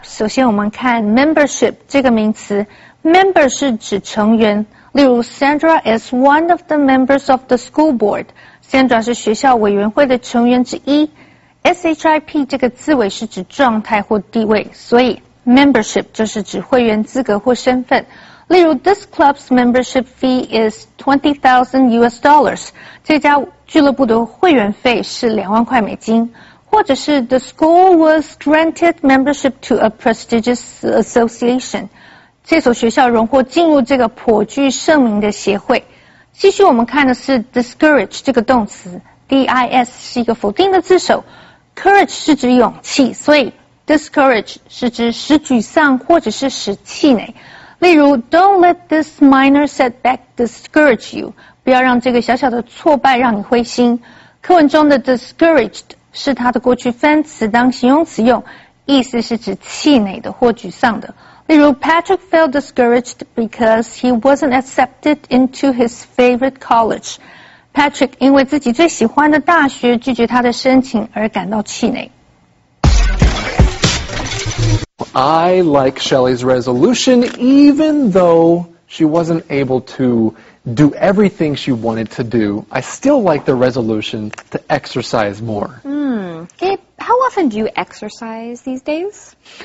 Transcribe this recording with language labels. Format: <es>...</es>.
<zh>首先我们看 membership 这个名词。Member 是指成员。例如</zh> <en>Sandra is one of the members of the school board.</en> <zh>Sandra 是学校委员会的成员之一。SHIP 这个字尾是指状态或地位，所以 membership 就是指会员资格或身份。例如</zh> <en>,this club's membership fee is $20,000.</en> <zh>这家俱乐部的会员费是$20,000。或者是</zh> <en>,the school was granted membership to a prestigious association.</en> <zh>这所学校荣获进入这个颇具盛名的协会。继续我们看的是 discourage 这个动词 ,dis 是一个否定的字首 ,courage 是指勇气所以 discourage 是指使沮丧或者是使气馁。例如 ,</zh> <en>don't let this minor setback discourage you,</en> <zh>不要让这个小小的挫败让你灰心。课文中的 discouraged 是它的过去分词当形容词用意思是指气馁的或沮丧的。例如</zh> <en>Patrick felt discouraged because he wasn't accepted into his favorite college.</en> <zh>Patrick 因为自己最喜欢的大学拒绝他的申请而感到气馁。</zh> <en>I like Shelley's resolution even though she wasn't able to do everything she wanted to do. I still like the resolution to exercise more. Gabe, how often do you exercise these days?</en>